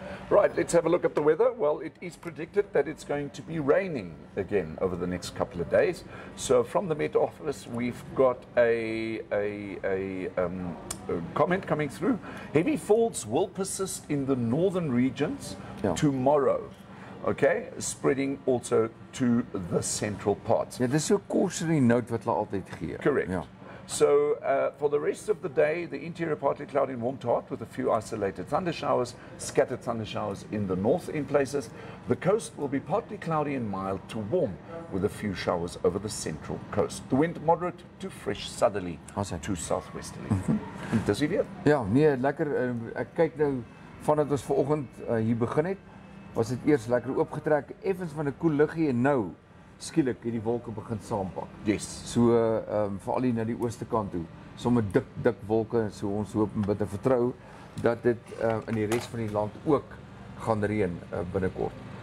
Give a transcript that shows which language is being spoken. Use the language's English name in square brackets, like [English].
[English] Right, let's have a look at the weather. Well, it is predicted that it's going to be raining again over the next couple of days. So from the Met Office, we've got a comment coming through. Heavy falls will persist in the northern regions tomorrow. Okay, spreading also to the central parts. [Afrikaans] Ja, dis so 'n [English] cautionary note [Afrikaans] wat hulle altyd gee. [English] Correct. Yeah. So, for the rest of the day, the interior partly cloudy and warm to hot with a few isolated thundershowers, scattered thundershowers in the north in places. The coast will be partly cloudy and mild to warm with a few showers over the central coast. The wind moderate to fresh southerly to southwesterly. [Afrikaans] Dis hier. Ja, nee, lekker. Ek kyk nou vandat ons vanoggend hier begin het, was dit eers lekker oopgetrek, effens van 'n koel liggie en nou skielik het die wolke begin saampak. [English] Yes. [Afrikaans] So vir al die na die ooste kant toe, sommer dik wolke, so ons hoop en bid en vertrou dat dit in die res van die land ook gaan reën binnekort.